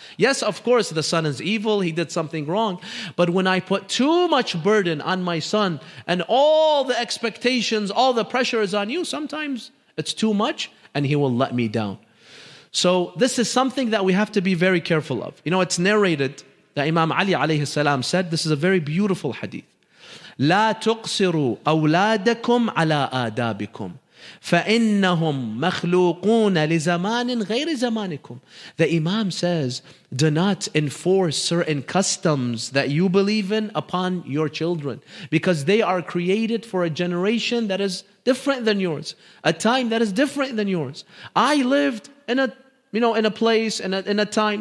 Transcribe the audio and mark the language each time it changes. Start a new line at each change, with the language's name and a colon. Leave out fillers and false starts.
English: Yes, of course, the son is evil. He did something wrong. But when I put too much burden on my son and all the expectations, all the pressure is on you, sometimes it's too much and he will let me down. So this is something that we have to be very careful of. You know, it's narrated that Imam Ali alayhi salam said, this is a very beautiful hadith.
Arabic: لا تقصروا أولادكم على آدابكم فإنهم مخلوقون لزمان غير زمانكم.
English: The Imam says, do not enforce certain customs that you believe in upon your children, because they are created for a generation that is different than yours, a time that is different than yours. I lived in a, you know, in a place, in a time.